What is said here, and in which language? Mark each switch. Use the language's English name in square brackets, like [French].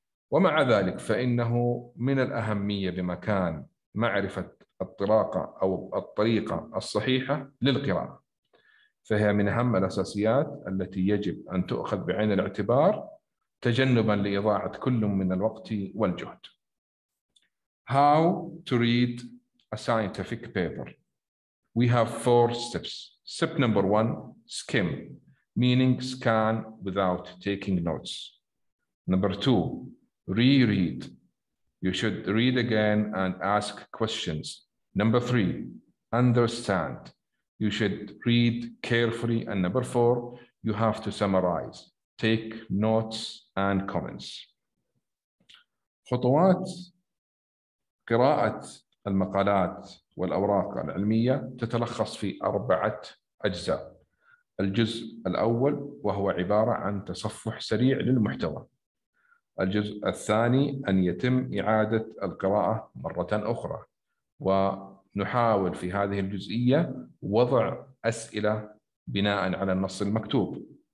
[Arabic] ومع ذلك فإنه من الأهمية بمكان معرفة الطراقة أو الطريقة الصحيحة للقراءة، فهي من أهم الأساسيات التي يجب أن تؤخذ بعين الاعتبار تجنباً لإضاعة كل من الوقت والجهد. [English] How to read a scientific paper. We have four steps. Step number one, skim, meaning scan without taking notes. Number two, reread. You should read again and ask questions. Number three, understand. You should read carefully. And number four, you have to summarize. Take notes and comments. [Arabic] خطوات قراءة المقالات والأوراق العلمية تتلخص في أربعة أجزاء. الجزء الأول وهو عبارة عن تصفح سريع للمحتوى. الجزء الثاني أن يتم إعادة القراءة مرة أخرى، ونحاول في هذه الجزئية وضع أسئلة بناء على النص المكتوب.